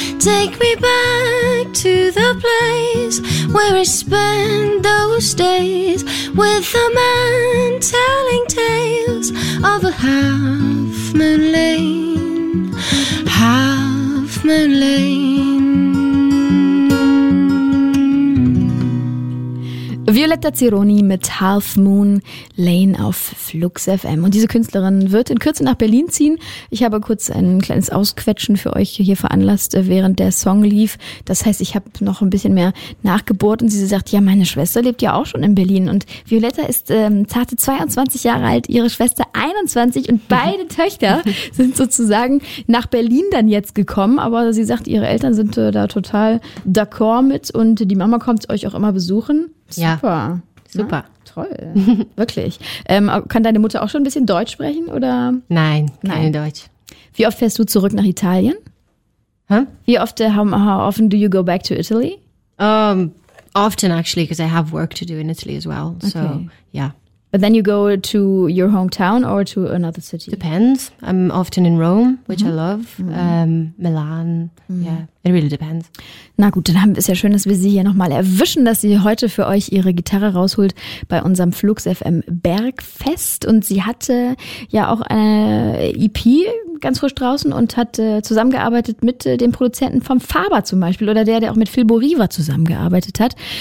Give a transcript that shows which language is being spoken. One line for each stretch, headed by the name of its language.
English: Take me back to the place where I spent those days with a man telling tales of a half moon lane, half moon lane.
German: Violetta Cironi mit Half Moon Lane auf Flux FM. Und diese Künstlerin wird in Kürze nach Berlin ziehen. Ich habe kurz ein kleines Ausquetschen für euch hier veranlasst, während der Song lief. Das heißt, ich habe noch ein bisschen mehr nachgebohrt und sie sagt, ja, meine Schwester lebt ja auch schon in Berlin. Und Violetta ist zarte 22 Jahre alt, ihre Schwester 21 und beide Töchter sind sozusagen nach Berlin dann jetzt gekommen. Aber sie sagt, ihre Eltern sind da total d'accord mit und die Mama kommt euch auch immer besuchen. Super. Ja, toll. Wirklich. Kann deine Mutter auch schon ein bisschen Deutsch sprechen? Oder? Nein, kein Deutsch. Wie oft fährst du zurück nach Italien?
English: How often do you go back to Italy? Often actually, because I have work to do in Italy as well. Okay. So, yeah. But then you go to your hometown or to another city? Depends. I'm often in Rome, which I love. Milan. Yeah, it really depends.
German: Na gut, dann ist ja schön, dass wir sie hier nochmal erwischen, dass sie heute für euch ihre Gitarre rausholt bei unserem Flux FM Bergfest. Und sie hatte ja auch eine EP ganz frisch draußen und hat zusammengearbeitet mit dem Produzenten vom Faber zum Beispiel oder der auch mit Phil Boriva zusammengearbeitet hat.